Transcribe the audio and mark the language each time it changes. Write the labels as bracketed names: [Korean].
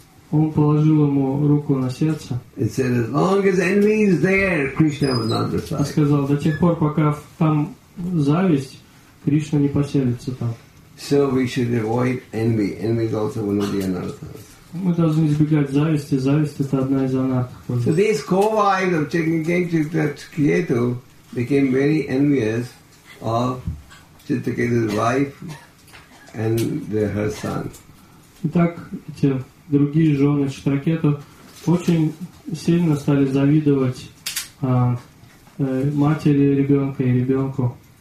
[Russian] Он положил ему руку на сердце. И сказал, до тех пор, пока там зависть, Кришна не поселится там. [English] So we should avoid envy. Envy is also one of the anarthas. [Russian] Мы должны избегать зависти. Зависть это одна из анарх. [English] So these co-wives of Chittaketu became very envious of Chittaketu's wife and her son. [Russian] Итак, эти другие жены Читракету очень сильно стали завидовать матери ребенка и ребенку.